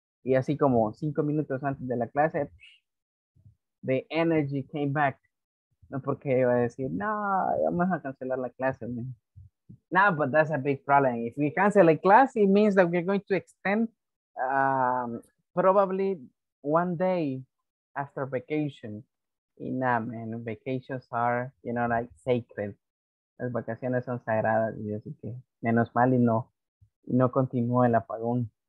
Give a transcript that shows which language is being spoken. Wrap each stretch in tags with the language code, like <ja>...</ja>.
<es>Y así como 5 minutos antes de la clase,</es> <en>the energy came back.</en> <es>No, porque iba a decir, no, vamos a cancelar la clase.</es> <en>Man. No, but that's a big problem. If we cancel a class, it means that we're going to extend probably one day after vacation. Nah, man, vacations are, you know, like sacred.</en> <es>Las vacaciones son sagradas, y así que menos mal y no continúa el apagón.</es>